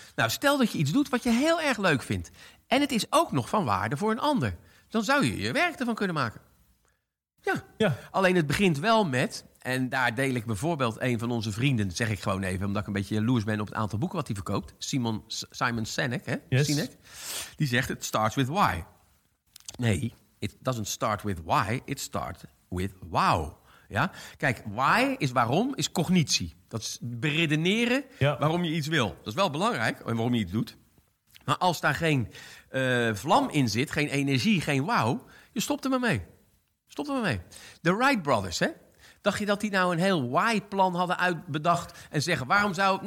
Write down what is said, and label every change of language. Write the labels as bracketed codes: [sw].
[nl] Nou, stel dat je iets doet wat je heel erg leuk vindt. En het is ook nog van waarde voor een ander. Dan zou je je werk ervan kunnen maken. Ja. Alleen het begint wel met, en daar deel ik bijvoorbeeld een van onze vrienden, zeg ik gewoon even, omdat ik een beetje jaloers ben op het aantal boeken wat hij verkoopt. Simon Sinek, hè? [en] Yes. Sinek. [nl] Die zegt, [en] it starts with why. [nl] Nee, [en] it doesn't start with why, it starts with wow. [nl] Ja? Kijk, why is waarom, is cognitie. Dat is beredeneren waarom je iets wil. Dat is wel belangrijk, en waarom je iets doet. Maar als daar geen vlam in zit, geen energie, geen wow, je stopt er maar mee. Stop er maar mee. De Wright Brothers, hè? Dacht je dat die nou een heel why-plan hadden uitbedacht en zeggen, waarom zou...